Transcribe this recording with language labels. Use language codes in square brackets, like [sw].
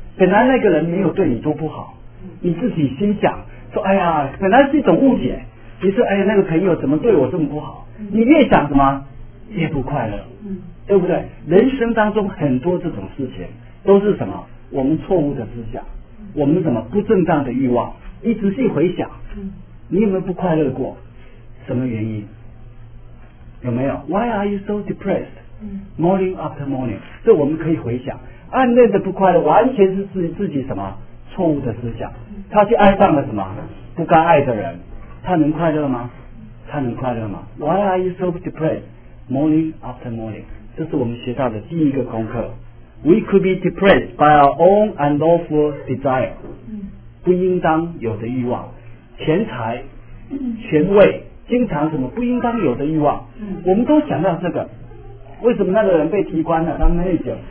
[zh] 本来那个人没有对你多不好，你自己心想说，哎呀，本来是一种误解，你说哎呀，那个朋友怎么对我这么不好，你越想什么也不快乐，对不对？人生当中很多这种事情都是什么？我们错误的思想，我们什么不正当的欲望。你仔细回想，你有没有不快乐过？什么原因？有没有？ [en] Why are you so depressed morning after morning? [zh] 这我们可以回想，暗恋的不快乐完全是自己什么错误的思想。他去爱上了什么不该爱的人，他能快乐吗？他能快乐吗？ [en] Why are you so depressed morning after morning? [zh] 这是我们学到的第一个功课。 [en] We could be depressed by our own unlawful desire， [zh] 不应当有的欲望，钱财权位经常什么不应当有的欲望，我们都想到这个。为什么那个人被提官了当 manager？